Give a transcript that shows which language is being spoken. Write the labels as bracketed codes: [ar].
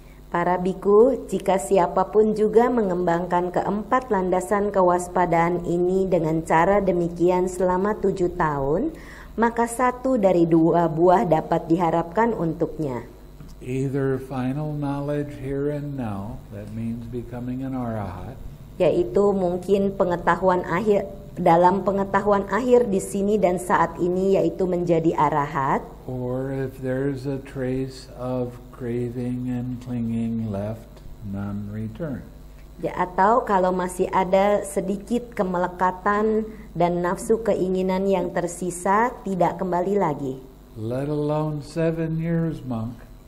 [id] Para bhikkhu, jika siapapun juga mengembangkan keempat landasan kewaspadaan ini dengan cara demikian selama 7 tahun, maka satu dari dua buah dapat diharapkan untuknya. [en] Either final knowledge here and now, that means becoming an arahat. [id] Yaitu mungkin pengetahuan akhir, dalam pengetahuan akhir di sini dan saat ini, yaitu menjadi arahat. [en] Or if there is a trace of craving and clinging left, none return. [id] Ya, atau kalau masih ada sedikit kemelekatan dan nafsu keinginan yang tersisa, tidak kembali lagi. [en] Let alone 7 years, monk.